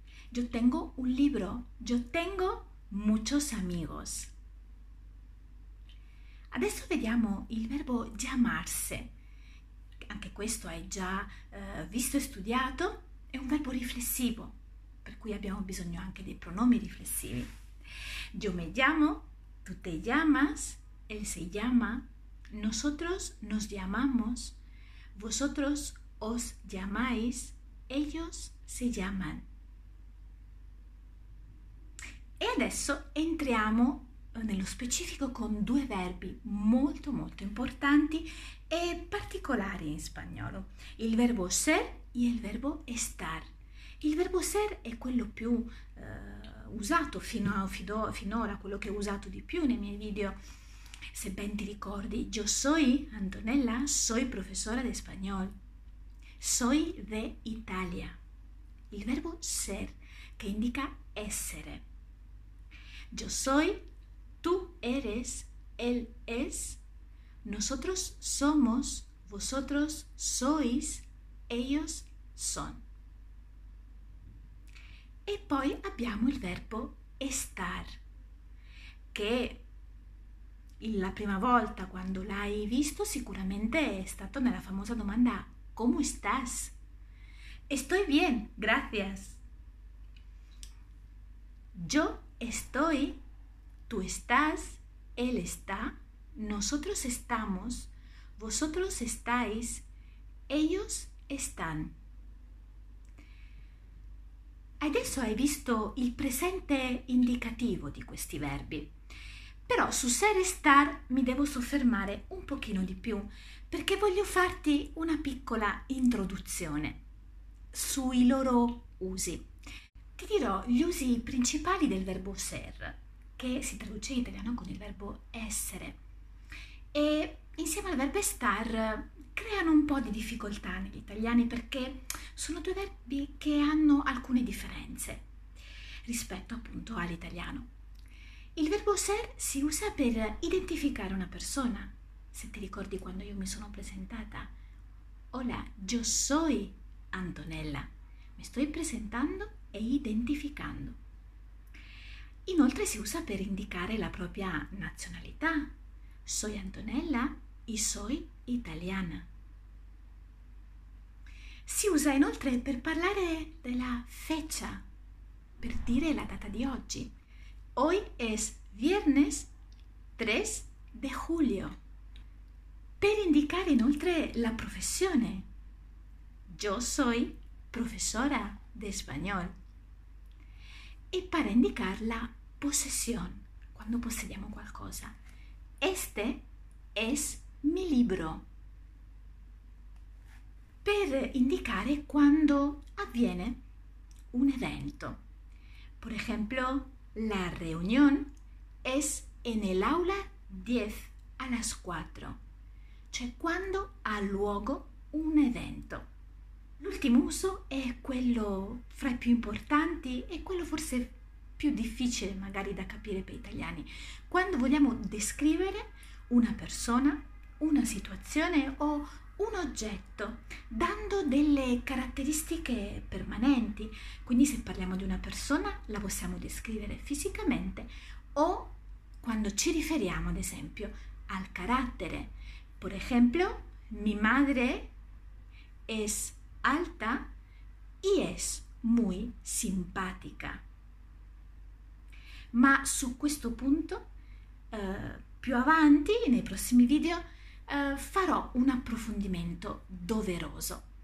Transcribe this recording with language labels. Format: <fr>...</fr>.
<es>Yo tengo un libro, yo tengo muchos amigos.</es> <it>Adesso vediamo il verbo llamarse. Anche questo hai già visto e studiato, è un verbo riflessivo, per cui abbiamo bisogno anche dei pronomi riflessivi.</it> <es>Yo me llamo, tú te llamas, él se llama, nosotros nos llamamos, vosotros os llamáis, ellos se llaman.</es> <it>E adesso entriamo nello specifico con due verbi molto molto importanti e particolari in spagnolo, il verbo ser e il verbo estar. Il verbo ser è quello più usato finora, quello che ho usato di più nei miei video. Se ben ti ricordi,</it> <es>yo soy Antonella, soy profesora de español, soy de Italia.</es> <it>Il verbo ser che indica essere.</it> <es>Yo soy, tú eres, él es, nosotros somos, vosotros sois, ellos son.</es> <it>E poi abbiamo il verbo estar, che la prima volta quando l'hai visto sicuramente è stato nella famosa domanda</it> <es>¿Cómo estás? Estoy bien, gracias. Yo estoy. Tú estás, él está, nosotros estamos, vosotros estáis, ellos están.</es> <it>Adesso hai visto il presente indicativo di questi verbi, però su ser e star mi devo soffermare un pochino di più perché voglio farti una piccola introduzione sui loro usi. Ti dirò gli usi principali del verbo ser, che si traduce in italiano con il verbo essere. E insieme al verbo estar creano un po' di difficoltà negli italiani perché sono due verbi che hanno alcune differenze rispetto appunto all'italiano. Il verbo ser si usa per identificare una persona. Se ti ricordi quando io mi sono presentata,</it> <es>Hola, yo soy Antonella.</es> <it>Mi sto presentando e identificando. Inoltre si usa per indicare la propria nazionalità.</it> <es>Soy Antonella y soy italiana.</es> <it>Si usa inoltre per parlare della fecha, per dire la data di oggi.</it> <es>Hoy es viernes 3 de julio.</es> <it>Per indicare inoltre la professione.</it> <es>Yo soy profesora de español.</es> <it>E per indicarla possession, quando possediamo qualcosa.</it> <es>Este es mi libro.</es> <it>Per indicare quando avviene un evento.</it> <es>Por ejemplo, la reunión es en el aula 10 a las 4,</es> <it>cioè quando ha luogo un evento. L'ultimo uso è quello fra i più importanti e quello forse più difficile magari da capire per italiani, quando vogliamo descrivere una persona, una situazione o un oggetto dando delle caratteristiche permanenti. Quindi se parliamo di una persona la possiamo descrivere fisicamente o quando ci riferiamo ad esempio al carattere.</it> <es>Por ejemplo, mi madre es alta y es muy simpática.</es> <it>Ma su questo punto, più avanti, nei prossimi video, farò un approfondimento doveroso.</it>